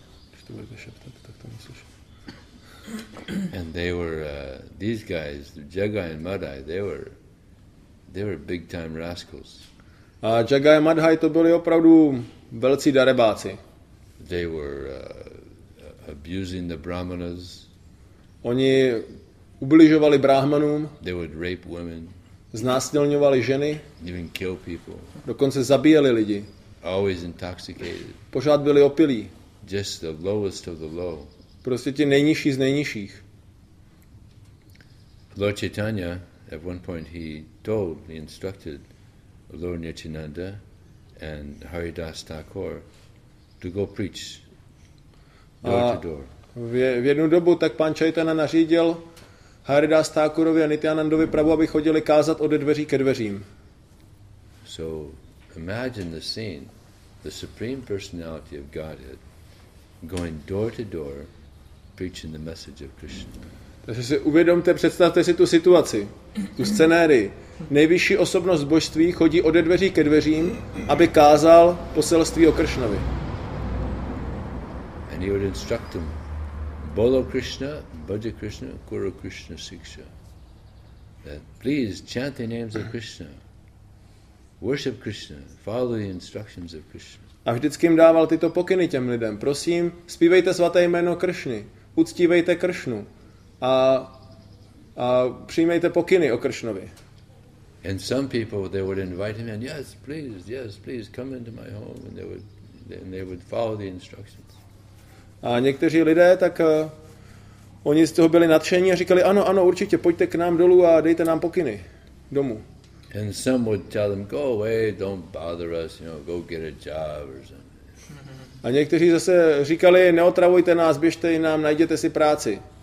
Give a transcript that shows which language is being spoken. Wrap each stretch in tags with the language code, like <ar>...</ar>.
<cs>Když to budete šeptat, tak to neslyším.</cs> <en>And they were these guys, Jagai and Madhai, they were big time rascals.</en> <cs>A Jagai and Madhai to byli opravdu velcí darebáci.</cs> <en>They were abusing the brahmanas.</en> <cs>Oni ubližovali brahmanům.</cs> <en>They would rape women.</en> <cs>Znásilňovali ženy.</cs> <en>Even kill people.</en> <cs>Dokonce zabíjeli lidi.</cs> <en>Always intoxicated.</en> <cs>Pořád byli opilí.</cs> <en>Just the lowest of the low.</en> <cs>Prostě ti nejnižší z nejnižších.</cs> <en>Lord Chaitanya, at one point he instructed Lord Nityananda and Haridas Thakur to go preach door to door.</en> <cs>V jednu dobu tak pan Chaitanya nařídil Haridas Thakurovi a Nityanandovi prabhu, aby chodili kázat od dveří ke dveřím.</cs> <en>So imagine the scene, the Supreme Personality of Godhead going door to door preaching the message of Krishna.</en> <cs>Takže si uvědomte, představte si tu situaci, tu scenérii. Nejvyšší osobnost božství chodí ode dveří ke dveřím, aby kázal poselství o Kršnovi.</cs> <en>And he would instruct them,</en> <bn>Bolo Krishna, Bhaja Krishna, Kuru Krishna Siksha.</bn> <en>That please chant the names of Krishna. Worship Krishna, follow the instructions of Krishna.</en> <cs>A vždycky jim dával tyto pokyny těm lidem. Prosím, zpívejte svaté jméno Kršny. Uctívejte Kršnu a přijmejte pokyny o Kršnovi.</cs> <en>And some people they would invite him and yes please come into my home and they would follow the instructions.</en> <cs>A někteří lidé tak oni z toho byli nadšení a říkali ano určitě pojďte k nám dolů a dejte nám pokyny domů.</cs> <en>And some would tell them go away, don't bother us, you know, go get a job or something.</en> <cs>A někteří zase říkali, neotravujte nás, běžte jinam, najděte si práci.</cs>